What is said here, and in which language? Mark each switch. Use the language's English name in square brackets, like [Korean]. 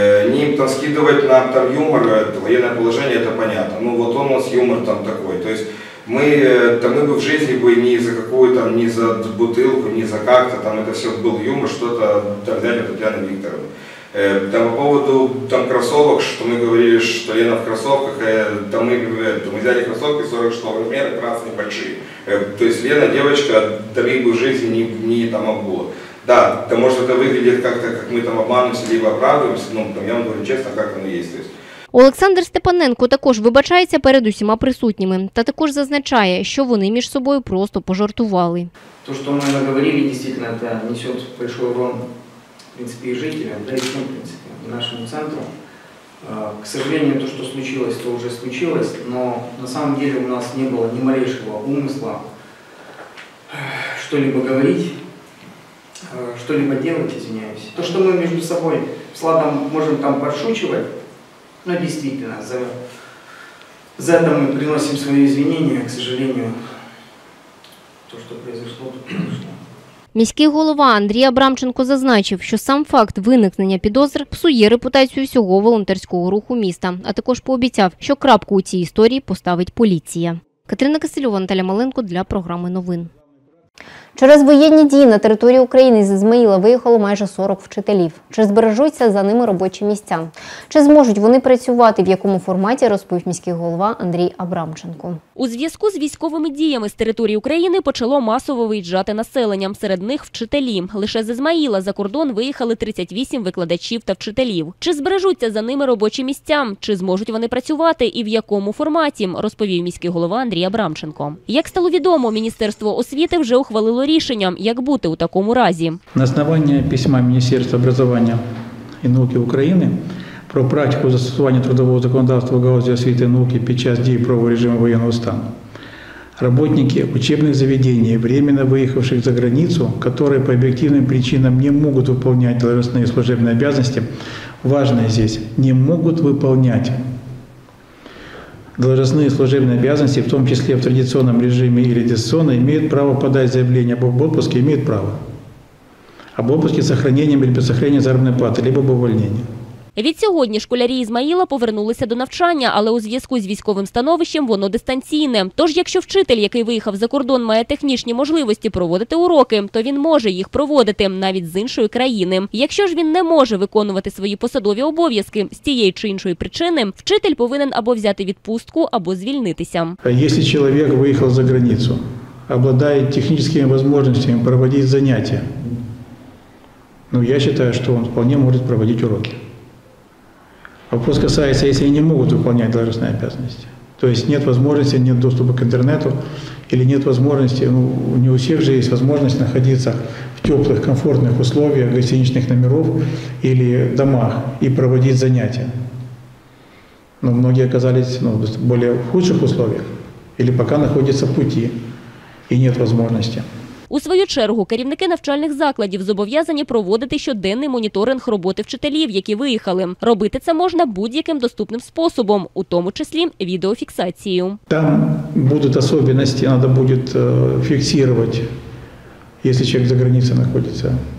[Ukrainian] Ним там скидувати нам там юмор, воєнне положення, це понятно. [Russian] Ну, от у нас юмор там такий. Мы бы в жизни бы ни за какую там, ни за бутылку, ни за как-то, там это все был юмор, что-то так далее, Татьяна Викторовна. Там по поводу там кроссовок, что мы говорили, что Лена в кроссовках, мы взяли кроссовки 46 размера, красные, большие. То есть Лена, девочка, там их бы в жизни не там обула. Да, там может это выглядит как-то, как мы там обманываемся, либо оправдываемся, но там, я вам говорю честно, как оно есть. [Ukrainian] Олександр Степаненко також вибачається перед усіма присутніми та також зазначає, що вони між собою просто пожартували. То, що ми наговорили, дійсно, це несе великий урон, в принципі, і жителям, да, і всім, в принципі, нашому центру. [Russian] К сожалению, [Ukrainian] то, що случилось, то вже случилось, але [Russian] на самом деле [Ukrainian] у нас не було ні малейшого умисла [Russian] что-либо говорить, что-либо делать, извиняюсь. [Ukrainian] То, що ми між собою з Владом можемо там подшучувати, [Russian] ну, действительно, за это мы приносим свои извинения, к сожалению, то, что произошло, то произошло. [Ukrainian] Міський голова Андрій Абрамченко зазначив, що сам факт виникнення підозр псує репутацію всього волонтерського руху міста, а також пообіцяв, що крапку у цій історії поставить поліція. Катерина Касильова, Наталя Маленко для програми новин. Через воєнні дії на території України з Ізмаїла виїхало майже 40 вчителів. Чи збережуться за ними робочі місця? Чи зможуть вони працювати, в якому форматі, розповів міський голова Андрій Абрамченко. У зв'язку з військовими діями з території України почало масово виїжджати населення. Серед них – вчителі. Лише з Ізмаїла за кордон виїхали 38 викладачів та вчителів. Чи збережуться за ними робочі місця? Чи зможуть вони працювати і в якому форматі, розповів міський голова Андрій Абрамченко. Як стало відомо, Міністерство освіти вже ухвалило рішення, як бути у такому разі. На основі письма Міністерства образування і науки України про практику застосування трудового законодавства у галузі освіти і науки під час дії правового режиму воєнного стану. [Russian] Работники учебных заведений, временно выехавших за границу, которые по объективным причинам не могут выполнять должностные и служебные обязанности, важное здесь, не могут выполнять должностные и служебные обязанности, в том числе в традиционном режиме или дистанционно, имеют право подать заявление об отпуске, имеют право об отпуске с сохранением или без сохранения заработной платы, либо об увольнении. [Ukrainian] Від сьогодні школярі Ізмаїла повернулися до навчання, але у зв'язку з військовим становищем воно дистанційне. Тож, якщо вчитель, який виїхав за кордон, має технічні можливості проводити уроки, то він може їх проводити навіть з іншої країни. Якщо ж він не може виконувати свої посадові обов'язки з тієї чи іншої причини, вчитель повинен або взяти відпустку, або звільнитися. Якщо людина виїхав за границю, обладає технічними можливостями проводити заняття, ну, я вважаю, що він вполне може проводити уроки. [Russian] Вопрос касается, если они не могут выполнять должностные обязанности. То есть нет возможности, нет доступа к интернету, или нет возможности, ну, не у всех же есть возможность находиться в теплых, комфортных условиях, гостиничных номеров или домах и проводить занятия. Но многие оказались, ну, в более худших условиях, или пока находятся в пути и нет возможности. [Ukrainian] У свою чергу, керівники навчальних закладів зобов'язані проводити щоденний моніторинг роботи вчителів, які виїхали. Робити це можна будь-яким доступним способом, у тому числі відеофіксацією. Там будуть особливості, треба буде фіксувати, якщо чоловік за границею знаходиться.